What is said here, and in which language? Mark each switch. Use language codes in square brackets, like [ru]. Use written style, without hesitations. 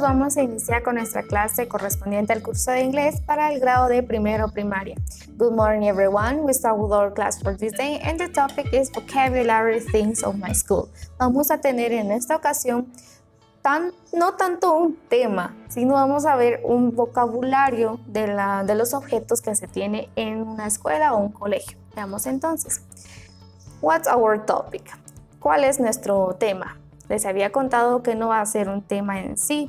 [es] Vamos a iniciar con nuestra clase correspondiente al curso de inglés para el grado de primero primaria. [en] Good morning, everyone. We start with our class for this day, and the topic is vocabulary things of my school. [es] Vamos a tener en esta ocasión no tanto un tema, sino vamos a ver un vocabulario de los objetos que se tiene en una escuela o un colegio. Veamos entonces. [en] What's our topic? [es] ¿Cuál es nuestro tema? Les había contado que no va a ser un tema en sí.